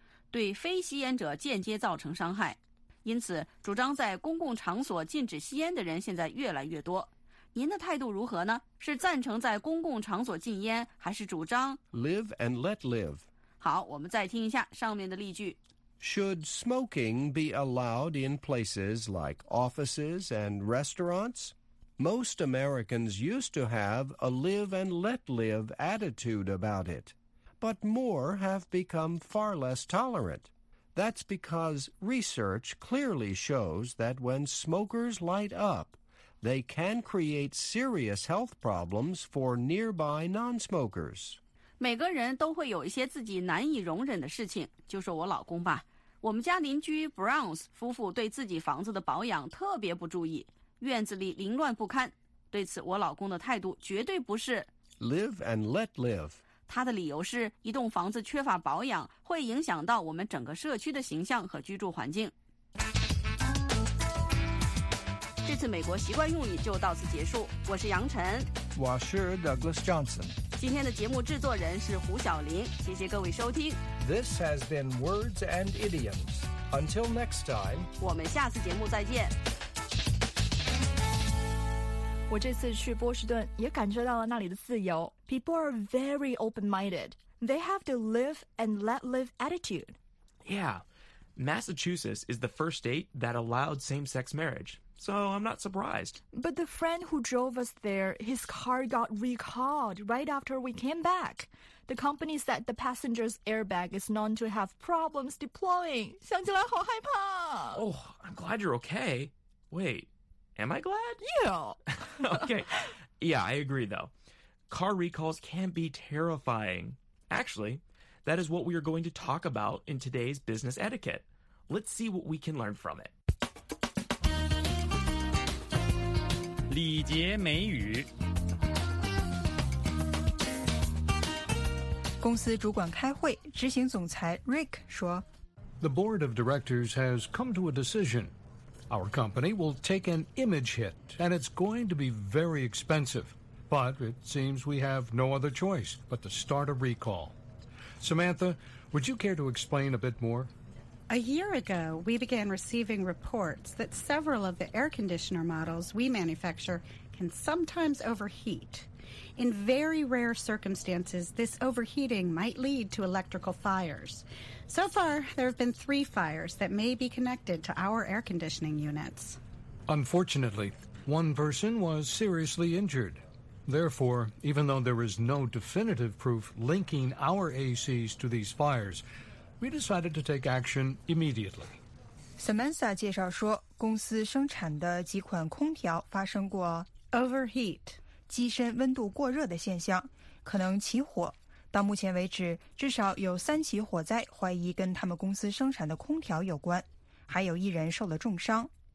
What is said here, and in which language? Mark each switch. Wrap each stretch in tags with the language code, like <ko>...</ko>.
<zh>对非吸烟者间接造成伤害。因此主张在公共场所禁止吸烟的人现在越来越多。您的态度如何呢？是赞成在公共场所禁烟，还是主张</zh> <en>Live and let live？</en> <zh>好，我们再听一下上面的例句。</zh> <en>Should smoking be allowed in places like offices and restaurants? Most Americans used to have a live and let live attitude about it, but more have become far less tolerant. That's because research clearly shows that when smokers light up, they can create serious health problems for nearby non-smokers.</en> <zh>每个人都会有一些自己难以容忍的事情，就说我老公吧。我们家邻居 Browns 夫妇对自己房子的保养特别不注意。院子里凌乱不堪，对此我老公的态度绝对不是</zh> <en>Live and let live。</en> <zh>他的理由是一栋房子缺乏保养会影响到我们整个社区的形象和居住环境。这次美国习惯用语就到此结束，我是杨晨，我是 Douglas Johnson。今天的节目制作人是胡晓林，谢谢各位收听。</zh> <en>This has been Words and Idioms. Until next time，</en> <zh>我们下次节目再见。我这次去波士顿也感受到了那里的自由。</zh> <en>People are very open-minded. They have the live and let live attitude. Yeah. Massachusetts is the first state that allowed same-sex marriage, so I'm not surprised. But the friend who drove us there, his car got recalled right after we came back. The company said the passenger's airbag is known to have problems deploying.</en> <zh>想起来好害怕。</zh> <en>Oh, I'm glad you're okay. Wait. Am I glad? Yeah. Okay. Yeah, I agree, though. Car recalls can be terrifying. Actually, that is what we are going to talk about in today's business etiquette. Let's see what we can learn from it.</en> <zh>礼节美语。公司主管开会，执行总裁 Rick 说，</zh> <en>The board of directors has come to a decision. Our company will take an image hit, and it's going to be very expensive. But it seems we have no other choice but to start a recall. Samantha, would you care to explain a bit more? A year ago, we began receiving reports that several of the air conditioner models we manufacture can sometimes overheat. In very rare circumstances, this overheating might lead to electrical fires. So far, there have been 3 fires that may be connected to our air conditioning units. Unfortunately, one person was seriously injured. Therefore, even though there is no definitive proof linking our ACs to these fires, we decided to take action immediately.</en> <zh>Samantha 介绍说，公司生产的几款空调发生过</zh> <en>overheat</en> <zh>机身温度过热的现象，可能起火。到目前为止，至少有3起火灾怀疑跟他们公司生产的空调有关，还有一人受了重伤。</zh>